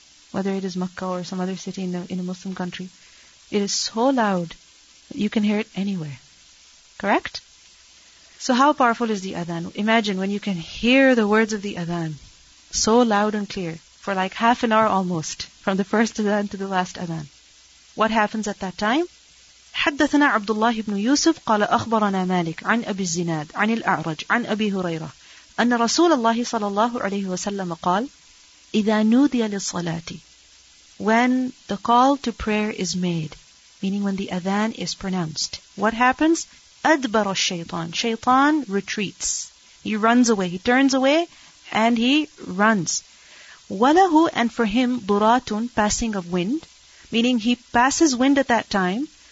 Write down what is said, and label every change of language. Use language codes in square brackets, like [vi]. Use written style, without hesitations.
[en] Whether it is Makkah or some other city in a Muslim country, it is so loud that you can hear it anywhere. Correct? So how powerful is the adhan? Imagine when you can hear the words of the adhan so loud and clear for like half an hour almost, from the first adhan to the last adhan. What happens at that time? [ar] حدثنا عبد الله بن يوسف قال أخبرنا مالك عن أبي الزناد عن الأعرج عن أبي هريرة أن رسول الله صلى الله عليه وسلم قال إذا نودي للصلاة. [en] When the call to prayer is made, meaning when the adhan is pronounced, what happens? [ar] أدبر الشيطان. [en] Shaitan retreats. He runs away. He turns away and he runs. [ar] وله, [en] and for him, duratun, passing of wind, meaning he passes wind at that time.